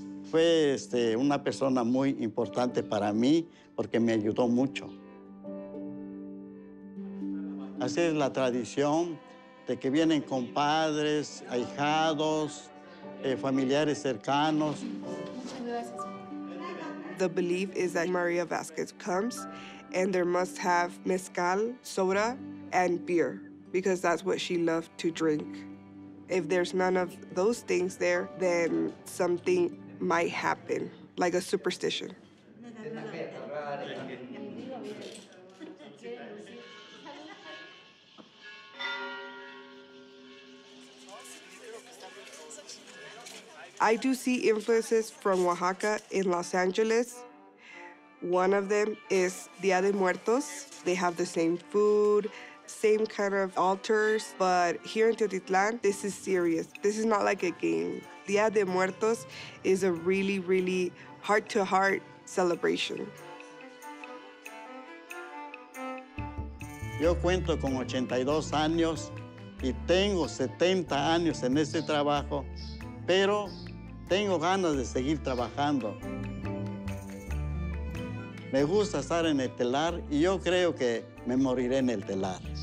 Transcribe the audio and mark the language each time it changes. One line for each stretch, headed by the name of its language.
Spanish: Fue una persona muy importante para mí porque me ayudó mucho. Así es la tradición de que vienen compadres, ahijados, familiares cercanos.
English: The belief is that María Vásquez comes and there must have mezcal, soda, and beer, because that's what she loved to drink. If there's none of those things there, then something might happen, like a superstition. I do see influences from Oaxaca in Los Angeles. One of them is Dia de Muertos. They have the same food, same kind of altars, but here in Teotitlán, this is serious. This is not like a game. Dia de Muertos is a really, really heart-to-heart celebration.
Spanish: Yo cuento con 82 años y tengo 70 años en este trabajo, pero tengo ganas de seguir trabajando. Me gusta estar en el telar y yo creo que me moriré en el telar.